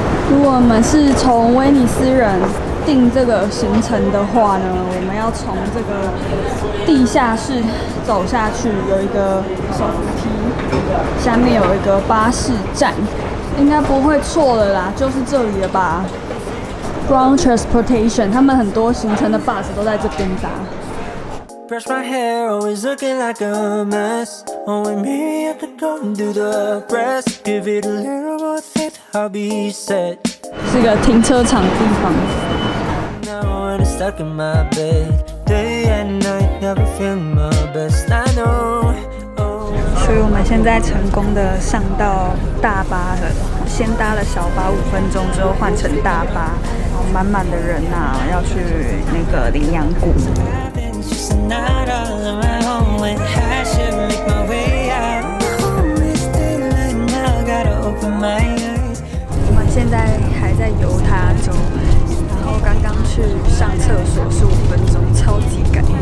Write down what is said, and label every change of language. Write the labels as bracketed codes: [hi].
[zh] 如果我们是从威尼斯人订这个行程的话呢，我们要从这个地下室走下去，有一个手扶梯，下面有一个巴士站，应该不会错了啦，就是这里了吧 ？Ground Transportation， 他们很多行程的 bus 都在这边搭。 [en] Brush my hair, always looking like a mess. Only me, I could go and do the press. Give it a little more faith, I'll be set. [zh] 是个停车场地方。 [en] Now I'm stuck in my bed, day and night, never feel my best. I know. [zh] 所以我们现在成功的上到大巴了，先搭了小巴5分钟之后换成大巴，满满的人啊，要去那个羚羊谷。我们现在还在犹他州，然后刚刚去上厕所15分钟，超级赶。